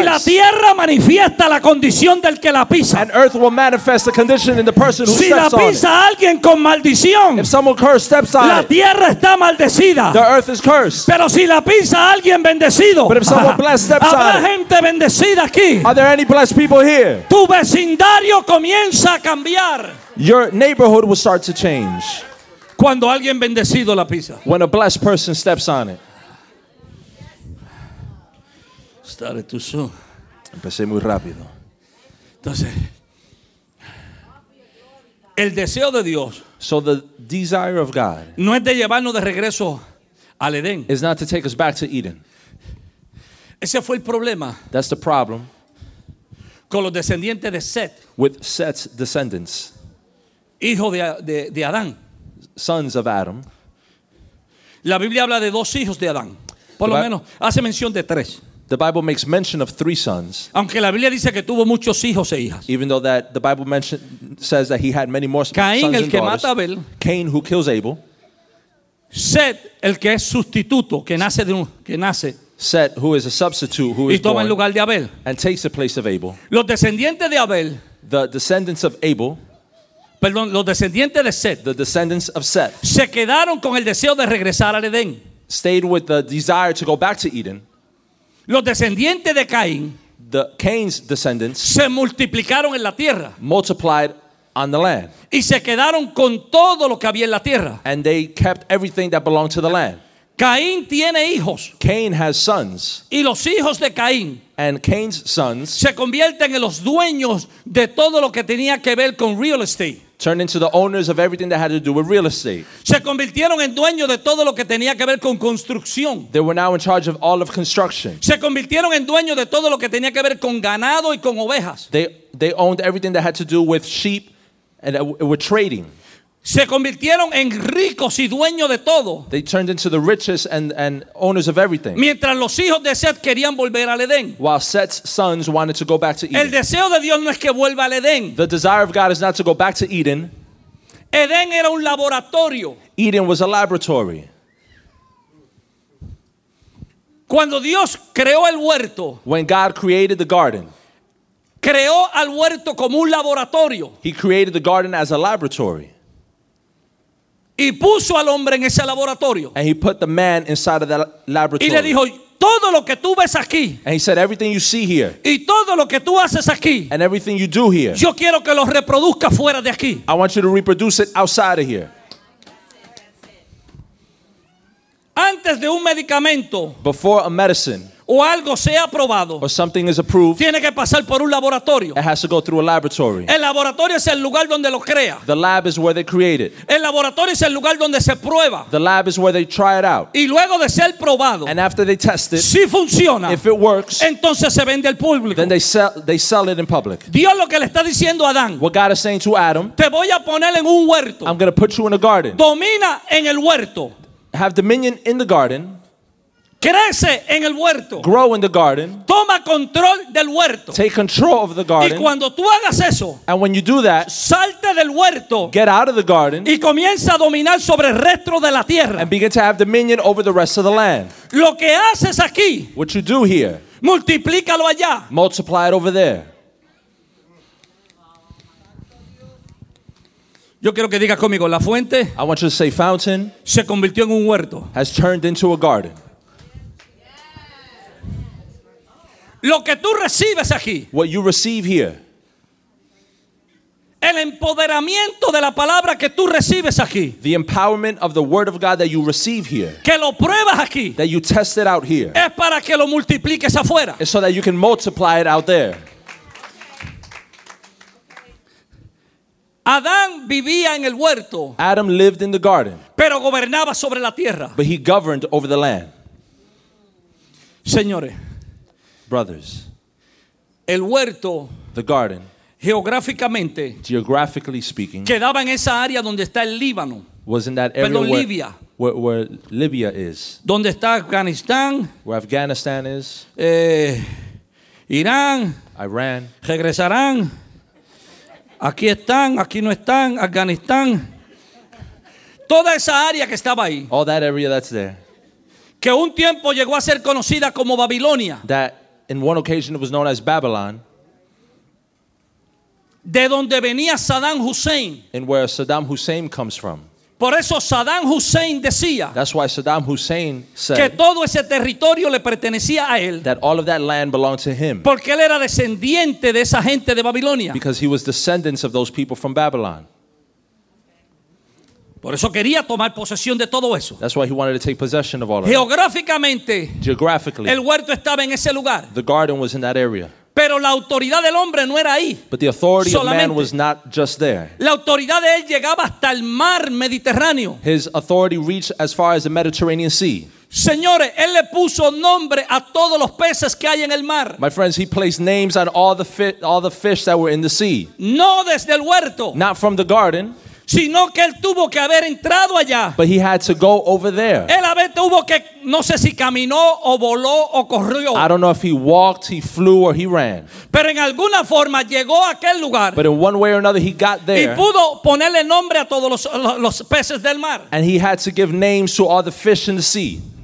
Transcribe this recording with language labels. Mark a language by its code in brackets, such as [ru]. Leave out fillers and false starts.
[es] Y la tierra manifiesta la condición del que la pisa. [en] And earth will manifest the condition in the person. [es] Si la pisa alguien con maldición, [en] if someone cursed steps on [es] la tierra [en] it, [es] está maldecida. [en] The earth is cursed. [es] Pero si la pisa alguien bendecido, [en] but if someone blessed steps on it, [es] habrá gente bendecida aquí. [en] Are there any blessed people here? [es] Tu vecindario comienza a cambiar. [en] Your neighborhood will start to change. [es] Cuando alguien bendecido la pisa. [en] When a blessed person steps on it. [es] Estaré tú solo. Empecé muy rápido. Entonces. El deseo de Dios, [en] so the desire of God, [es] no es de llevarnos de regreso al Edén. [en] Is not to take us back to Eden. [es] Ese fue el problema. [en] That's the problem. [es] Con los descendientes de Seth. [en] With Seth's descendants. [es] Hijo de Adán. [en] Sons of Adam. [es] La Biblia habla de dos hijos de Adán. Por lo menos hace mención de tres. [en] The Bible makes mention of three sons. [es] Aunque la Biblia dice que tuvo muchos hijos e hijas. [en] Even though that the Bible says that he had many more Cain, sons [es] el [en] and [es] que [en] daughters. [es] Mata Abel. [en] Cain, who kills Abel. [es] Seth, el que es sustituto, que nace de un, que nace. [en] Seth, who is a substitute, who [es] y [en] is [es] toma [en] born, [es] el lugar de Abel. [en] And takes the place of Abel. [es] Los descendientes de Abel. [en] The descendants of Abel. [es] Perdón, los descendientes de Seth. [en] The descendants of Seth. [es] Se quedaron con el deseo de regresar al Edén. [en] Stayed with the desire to go back to Eden. [es] Los descendientes de Caín, [en] the Cain's descendants, [es] se multiplicaron en la tierra, [en] multiplied on the land, [es] y se quedaron con todo lo que había en la tierra, [en] and they kept everything that belonged to the land. [es] Caín tiene hijos, [en] Cain has sons, [es] y los hijos de Caín, [en] and Cain's sons, [es] se convierten en los dueños de todo lo que tenía que ver con real estate. [en] Turned into the owners of everything that had to do with real estate. [es] Se convirtieron en dueños de todo lo que tenía que ver con construcción. [en] They were now in charge of all of construction. [es] Se convirtieron en dueños de todo lo que tenía que ver con ganado y con ovejas. [en] They owned everything that had to do with sheep and with trading. [es] Se convirtieron en ricos y dueños de todo. [en] They turned into the richest and owners of everything. [es] Mientras los hijos de Seth querían volver al Edén. [en] While Seth's sons wanted to go back to Eden. [es] El deseo de Dios no es que vuelva al Edén. [en] The desire of God is not to go back to Eden. [es] Edén era un laboratorio. [en] Eden was a laboratory. [es] Cuando Dios creó el huerto. [en] When God created the garden. [es] Creó al huerto como un laboratorio. [en] He created the garden as a laboratory. [es] Y puso al hombre en ese laboratorio. [en] And he put the man inside of that laboratory. [es] Y le dijo, todo lo que tú ves aquí. [en] And he said, everything you see here. [es] Y todo lo que tú haces aquí. [en] And everything you do here. [es] Yo quiero que lo reproduzca fuera de aquí. [en] I want you to reproduce it outside of here. [es] Antes de un medicamento. [en] Before a medicine. [es] O algo sea aprobado. [en] Or something is approved. [es] Tiene que pasar por un laboratorio. [en] It has to go through a laboratory. [es] El laboratorio es el lugar donde lo crea. [en] The lab is where they create it. [es] El laboratorio es el lugar donde se prueba. [en] The lab is where they try it out. [es] Y luego de ser probado. [en] And after they test it. [es] Si funciona. [en] If it works. [es] Entonces se vende al público. [en] Then they sell it in public. [es] Dios lo que le está diciendo a Adán. [en] What God is saying to Adam. [es] Te voy a poner en un huerto. [en] I'm going to put you in a garden. [es] Domina en el huerto. [en] Have dominion in the garden. [es] Crece en el huerto. [en] Grow in the garden. [es] Toma control del huerto. [en] Take control of the garden. [es] Y cuando tú hagas eso, [en] and when you do that, [es] salte del huerto. [en] Get out of the garden. [es] Y comienza a dominar sobre el resto de la tierra. [en] And begin to have dominion over the rest of the land. [es] Lo que haces aquí, [en] what you do here, [es] multiplícalo allá. [en] Multiply it over there. [es] Yo quiero que digas conmigo, la fuente, [en] I want you to say fountain, [es] se convirtió en un huerto. [en] Has turned into a garden. [es] Lo que tú recibes aquí, [en] what you receive here, [es] el empoderamiento de la palabra que tú recibes aquí, [en] the empowerment of the word of God that you receive here, [es] que lo pruebas aquí, [en] that you test it out here, [es] es para que lo multipliques afuera, [en] so that you can multiply it out there. [es] Adán vivía en el huerto. [en] Adam lived in the garden. [es] Pero gobernaba sobre la tierra. [en] But he governed over the land. [es] Señores, [en] brothers, [es] el huerto, [en] the garden, [es] geográficamente, [en] geographically speaking, [es] quedaba en esa área donde está el Líbano. [en] Was in that area [es] perdón, Libia, [en] where Libya is. [es] Donde está Afganistán, [en] where Afghanistan is. [es] Irán, [en] Iran. [es] Regresarán. Aquí están, aquí no están, Afganistán. Toda esa área que estaba ahí. [en] All that area that's there. [es] Que un tiempo llegó a ser conocida como Babilonia. [en] That in one occasion it was known as Babylon. [es] De donde venía Saddam Hussein. [en] And where Saddam Hussein comes from. [es] Por eso Saddam Hussein decía. [en] That's why Saddam Hussein said. [es] Que todo ese territorio le pertenecía a él. [en] That all of that land belonged to him. [es] Porque él era descendiente de esa gente de Babilonia. [en] Because he was descendants of those people from Babylon. [es] Por eso quería tomar posesión de todo eso. [en] That's why he wanted to take possession of all of it. [es] Geográficamente. [en] Geographically. [es] El huerto estaba en ese lugar. [en] The garden was in that area. [es] Pero la autoridad del hombre no era ahí. [en] But the authority [es] solamente [en] of man was not just there. [es] La autoridad de él llegaba hasta el mar Mediterráneo. [en] His authority reached as far as the Mediterranean Sea. [es] Señores, él le puso nombre a todos los peces que hay en el mar. [en] My friends, he placed names on all the fish that were in the sea. [es] No desde el huerto. [en] Not from the garden. [es] Sino que él tuvo que haber entrado allá. [en] But he had to go over there. [es] Él haber tuvo que, no sé si caminó o voló o corrió. [en] I don't know if he walked, he flew, or he ran. [es] Pero en alguna forma llegó a aquel lugar. [en] But in one way or another he got there. [es] Y pudo ponerle nombre a todos los peces del mar. [en] And he had to give names to all the fish in the sea.